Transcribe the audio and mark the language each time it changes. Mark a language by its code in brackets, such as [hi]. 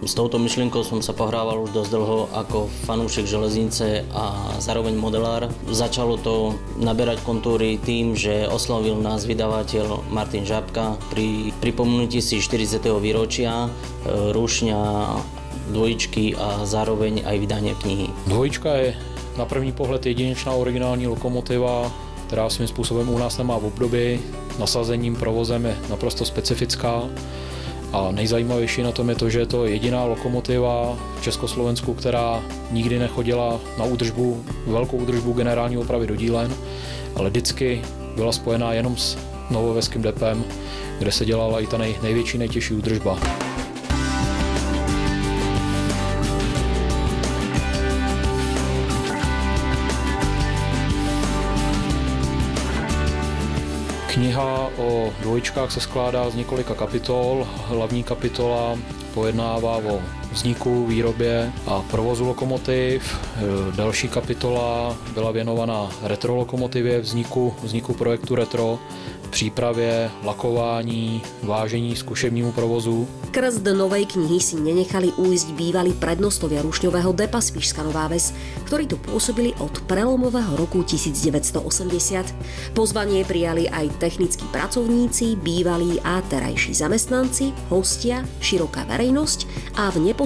[sk] S touto myšlienkou som sa pohrával už dosť dlho ako fanúšik železnice a zároveň modelár. Začalo to naberať kontúry tým, že oslovil nás vydavateľ Martin Žabka pri pripomenutí si 40. výročia rušňa, dvojičky a zároveň aj vydanie knihy. [cs] Dvojička je na první pohled jedinečná originální lokomotiva, která svým způsobem u nás nemá v období. Nasazením, provozem je naprosto specifická a nejzajímavější na tom je to, že je to jediná lokomotiva v Československu, která nikdy nechodila na údržbu, velkou údržbu generální opravy do dílen, ale vždycky byla spojená jenom s novoveským depem, kde se dělala i ta největší, nejtěžší údržba. Kniha o dvojičkách se skládá z několika kapitol. Hlavní kapitola pojednává o vzniku, výrobě a provozu lokomotiv. Další kapitola byla věnovaná retro lokomotivě, vzniku projektu retro, přípravě, lakování, vážení, zkušebnímu provozu. [sk] Krst novej knihy si nenechali ujsť bývalí prednostovia rušňového depa Spišská Nová Ves, ktorí tu pôsobili od prelomového roku 1980. Pozvanie prijali aj technickí pracovníci, bývalí a terajší zamestnanci, hostia, široká verejnosť a v neposlednosti